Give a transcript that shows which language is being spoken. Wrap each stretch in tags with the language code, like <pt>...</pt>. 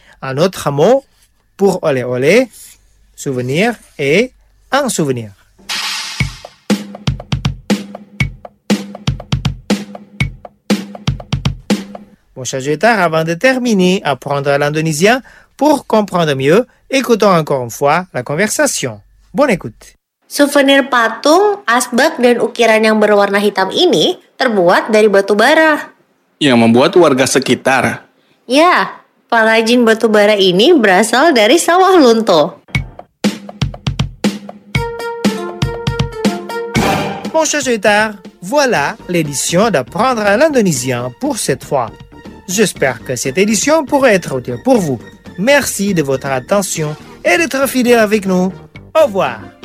<fr>Un autre mot pour oleh-oleh, souvenir, est un souvenir. Bon, chers auditeurs, avant de terminer, apprendre l'indonésien pour comprendre mieux, écoutons encore une fois la conversation. Bonne écoute.</fr> <id>Souvenir patung, asbak, dan ukiran yang berwarna hitam ini terbuat dari batu bara. Yang membuat warga sekitar. Ya, pengrajin batu bara ini berasal dari sawah Lunto.</id> <fr>Mon cher auditeur, voilà l'édition d'apprendre l'indonésien pour cette fois. J'espère que cette édition pourrait être utile pour vous. Merci de votre attention et d'être fidèle avec nous. Au revoir.</fr>